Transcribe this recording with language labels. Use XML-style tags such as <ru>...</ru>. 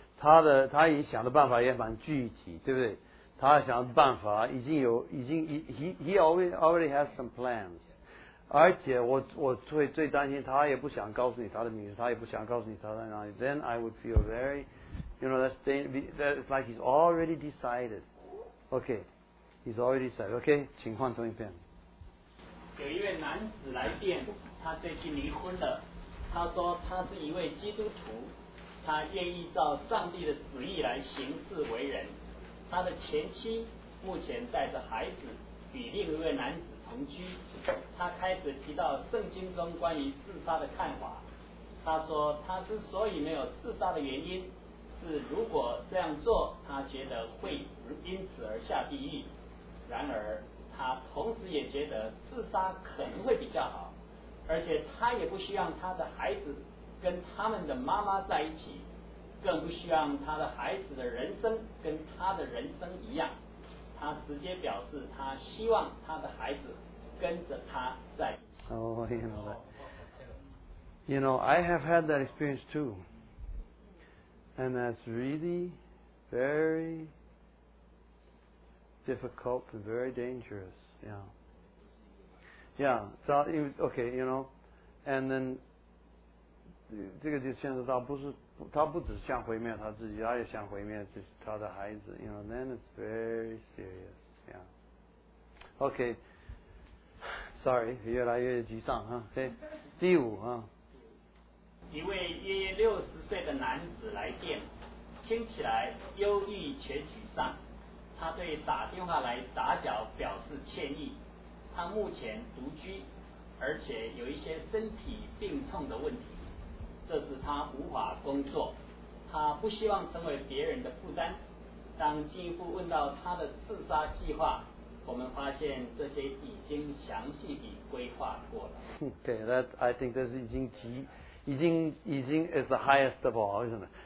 <zh>他已经想的办法也蛮具体，对不对？他想的办法已经</zh> <en>he already has some plans.</en> <zh>而且我最担心他也不想告诉你他的名字，他也不想告诉你他在哪里。</zh> <en>Then I would feel very, you know, that's like he's already decided. Okay, he's already decided. Okay,</en> <zh>请换成一遍。有一位男子来电。他最近离婚了，他说他是一位基督徒，他愿意照上帝的旨意来行事为人。他的前妻目前带着孩子与另一位男子同居。他开始提到圣经中关于自杀的看法。他说他之所以没有自杀的原因是，如果这样做，他觉得会因此而下地狱。然而他同时也觉得自杀可能会比较好，而且他也不希望他的孩子跟他们的妈妈在一起，更不希望他的孩子的人生跟他的人生一样。他直接表示他希望他的孩子跟着他在一起。</zh> <en>You know, I have had that experience too. And that's really very difficult and very dangerous, yeah. Yeah, so, okay, you know, and then,</en> <zh>这个就牵涉到不是，他不只想毁灭他自己，他也想毁灭就是他的孩子</zh> <en>you know, then it's very serious, yeah. Okay, sorry,</en> <zh>越来越沮丧哈 okay. 第五啊。一位约60岁的男子来电，听起来忧郁且沮丧，他对打电话来打搅表示歉意。他目前独居，而且有一些身体病痛的问题，这使他无法工作。他不希望成为别人的负担。当进一步问到他的自杀计划，我们发现这些已经详细地规划过了。</zh> <en>Okay, that I think this</en> <zh>已经极，已经已经</zh> <en>is the highest of all, isn't it?</en>